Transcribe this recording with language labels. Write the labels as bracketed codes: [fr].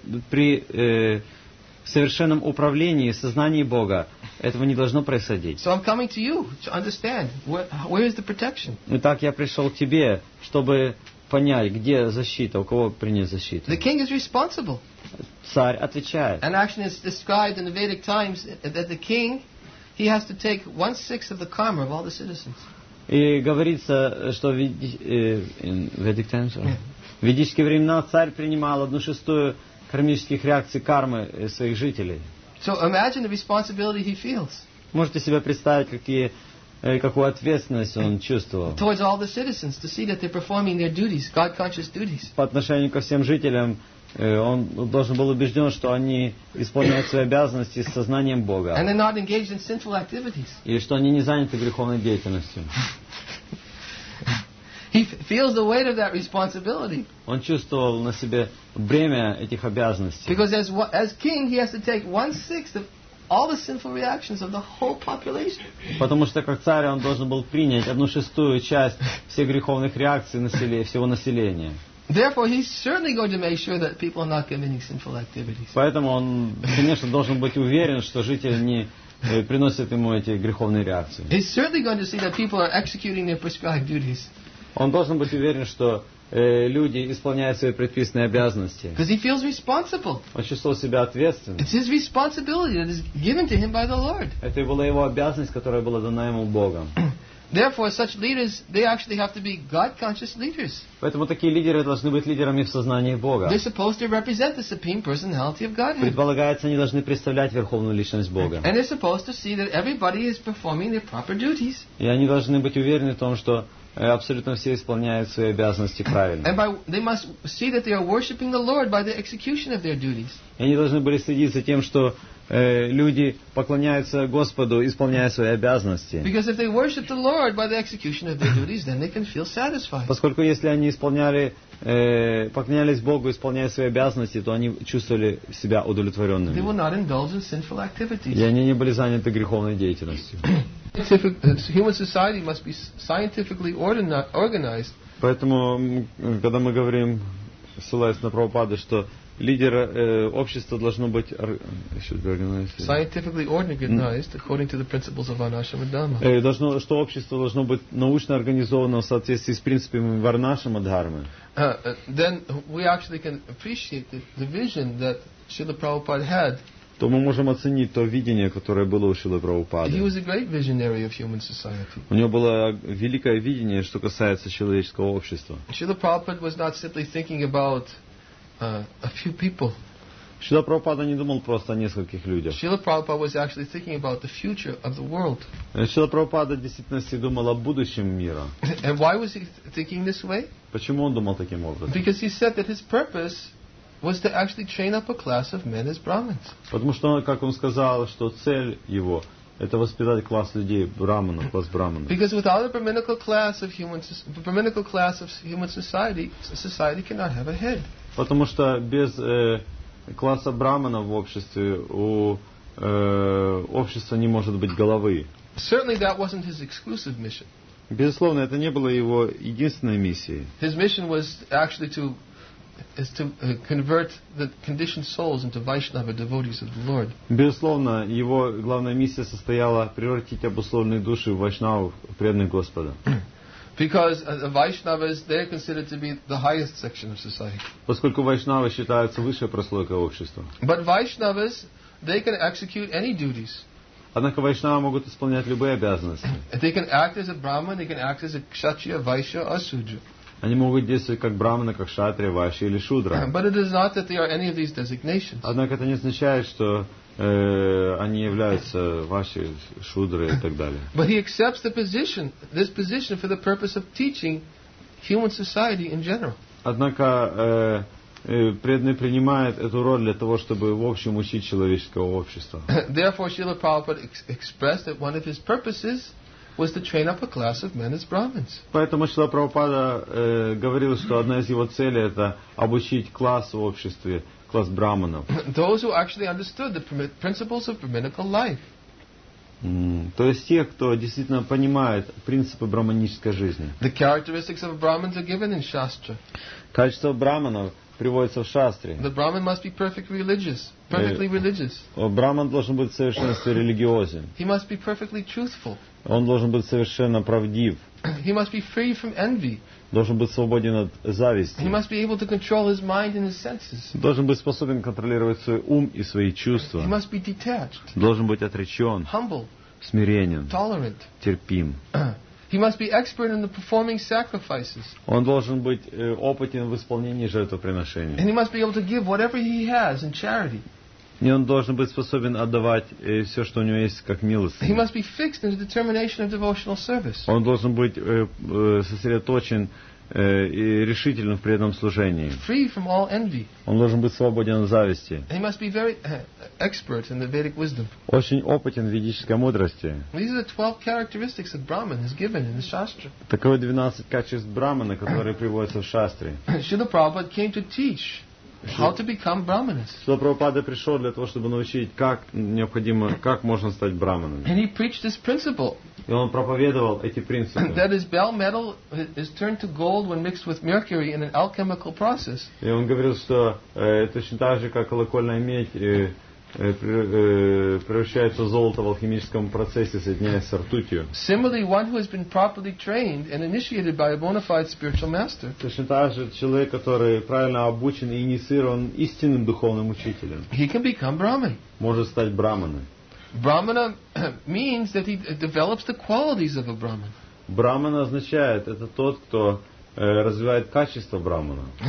[ru] При совершенном управлении, сознании Бога, этого не должно происходить. [en] So I'm coming to you to understand where is the protection. [ru] Итак, я пришел к тебе, чтобы понять, где защита, у кого принять защиту. [en] The king is responsible. [ru] Царь отвечает. [en] And actually it's described in the Vedic times that the king, he has to take 1/6 of the karma of all the citizens. [ru] И говорится, что в [en] Vedic times, [ru] в ведические времена царь принимал 1/6 кармических реакций кармы своих жителей. [en] So imagine the responsibility he feels. [ru] Можете себе представить, какую ответственность он чувствовал. [en] Towards all the citizens to see that they're performing their duties, God-conscious duties. [ru] По отношению ко всем жителям, он должен был убежден, что они исполняют свои обязанности с сознанием Бога. [en] And they're not engaged in sinful activities. [ru] И что они не заняты греховной деятельностью. [en] He feels the weight of that responsibility. [ru] Он чувствовал на себе бремя этих обязанностей. [en] Because as king, he has to take 1/6 of all the sinful reactions of the whole population. [ru] Потому что как царь он должен был принять 1/6 часть всех греховных реакций населения, всего населения. [en] Therefore, he's certainly going to make sure that people are not committing sinful activities. [ru] Поэтому он, конечно, должен быть уверен, что жители не приносят ему эти греховные реакции. [en] He's certainly going to see that people are executing their prescribed duties. [ru] Он должен быть уверен, что люди исполняют свои предписанные обязанности. [en] Because he feels responsible. [ru] Он чувствовал себя ответственным. [en] It's his responsibility that is given to him by the Lord. [ru] Это была его обязанность, которая была дана ему Богом. [en] Therefore, such leaders, they actually have to be God-conscious leaders. [ru] Поэтому такие лидеры должны быть лидерами в сознании Бога. [en] They're supposed to represent the supreme personality of Godhead. [ru] Предполагается, они должны представлять верховную личность Бога. [en] And they're supposed to see that everybody is performing their proper duties. [ru] И они должны быть уверены в том, что абсолютно все исполняют свои обязанности правильно. [en] And they must see that they are worshiping the Lord by the execution of their duties. [ru] И они должны были следить за тем, что люди поклоняются Господу, исполняя свои обязанности. [en] Because if they worship the Lord by the execution of their duties, then they can feel satisfied. [ru] Поскольку если они поклонялись Богу, исполняя свои обязанности, то они чувствовали себя удовлетворенными. [en] They will not indulge in sinful activities. [ru] И они не были заняты греховной деятельностью. [en] Human society must be scientifically organized. [ru] Поэтому, когда мы говорим, ссылаясь на Прабхупаду, что лидер общества должно быть [en] scientifically organized according to the principles of Varnashrama Dharma. [ru] Должно, что общество должно быть научно организовано в соответствии с принципами Варнашрама Дхармы. [en] Then we actually can appreciate the vision that Srila Prabhupada had. [ru] То мы можем оценить то видение, которое было у Шрилы Прабхупады. [en] He was a great visionary of human society. [ru] У него было великое видение, что касается человеческого общества. [en] Шрила Прабхупада was not simply thinking about a few people. [ru] Шрила Прабхупада не думал просто о нескольких людях. [en] Шрила Прабхупада was actually thinking about the future of the world. [ru] Шрила Прабхупада действительно думал о будущем мира. [en] And why was he thinking this way? [ru] Почему он думал таким образом? [en] Because he said that his purpose was to actually train up a class of men as Brahmins. [ru] Потому что, как он сказал, что цель его это воспитать класс людей брахманов, класс брахманов. [en] Because without a brahminical class of human, brahminical class of human society, society cannot have a head. [ru] Потому что без класса брахманов в обществе у общества не может быть головы. [en] Certainly that wasn't his exclusive mission. [ru] Безусловно, это не было его единственной миссией. [en] His mission was actually to convert the conditioned souls into Vaishnava devotees of the Lord. [ru] Безусловно, его главная миссия состояла превратить обусловленные души в вайшнавов, преданных Господа. [en] Because the Vaishnavas, they are considered to be the highest section of society. [ru] Поскольку вайшнавы считаются высшей прослойкой общества. [en] But Vaishnavas, they can execute any duties. [ru] Однако вайшнавы могут исполнять любые обязанности. [en] They can act as a Brahman, they can act as a Kshatriya, Vaishya, or Sudra. [ru] Они могут действовать как брахманы, как кшатрия, вайшья или шудра. [en] But it is not that they are any of these designations. [ru] Однако это не означает, что они являются вайшьей, шудрой и так далее. [en] But he accepts the position, this position for the purpose of teaching human society in general. [ru] Однако преданный принимает эту роль для того, чтобы в общем учить человеческое общество. [en] Therefore, Srila Prabhupada expressed that one of his purposes was to train up a class of men as Brahmins. [ru] Поэтому Шрила Прабхупада говорил, что одна из его целей это обучить класс в обществе, класс брахманов. [en] Those who actually understood the principles of brahminical life. [ru] То есть те, кто действительно понимает принципы брахманической жизни. [en] The characteristics of Brahmins are given in Shastra. [ru] Качество брахманов приводится в шастре. [en] The Brahmin must be perfectly religious. Perfectly religious. [ru] Брахман должен быть в совершенстве религиозен. [en] He must be perfectly truthful. [ru] Он должен быть совершенно правдив. [en] He must be free from envy. [ru] Должен быть свободен от зависти. [en] He must be able to control his mind and his senses. [ru] Должен быть способен контролировать свой ум и свои чувства. [en] He must be detached. [ru] Должен быть отречен. [en] Humble. [ru] Смиренен. [en] Tolerant. [ru] Терпим. [en] He must be expert in the performing sacrifices. [ru] Он должен быть опытен в исполнении жертвоприношений. [en] And he must be able to give whatever he has in charity. [ru] И он должен быть способен отдавать все, что у него есть, как милостыню. [en] He must be fixed in the determination of devotional service. [ru] Он должен быть сосредоточен и решительным в преданном служении. [en] Free from all envy. [ru] Он должен быть свободен от зависти. [en] And he must be very expert in the Vedic wisdom. [ru] Очень опытен в ведической мудрости. [en] These are the 12 characteristics that Brahman is given in the Shastra. [ru] Таковы 12 качеств брахмана, которые приводятся в шастре. [en] Srila Prabhupada came to teach how to become brahmanas. [ru] Шрила Прабхупада пришел для того, чтобы научить, как необходимо, как можно стать брахманом. [en] And he preached this principle. [ru] И он проповедовал эти принципы. [en] That is, bell metal is turned to gold when mixed with mercury in an alchemical process. [ru] И он говорил, что точно так же, как колокольная медь превращается в золото в алхимическом процессе, соединяясь с ртутью. [en] Similarly, one who has been properly trained and initiated by a bona fide spiritual master. [ru] Точно так же человек, который правильно обучен и инициирован истинным духовным учителем. [en] He can become Brahman. [ru] Может стать брахманом. [en] Brahmana means that he develops the qualities of a Brahman. [ru] Брахмана означает, это тот, кто развивает качество брахмана.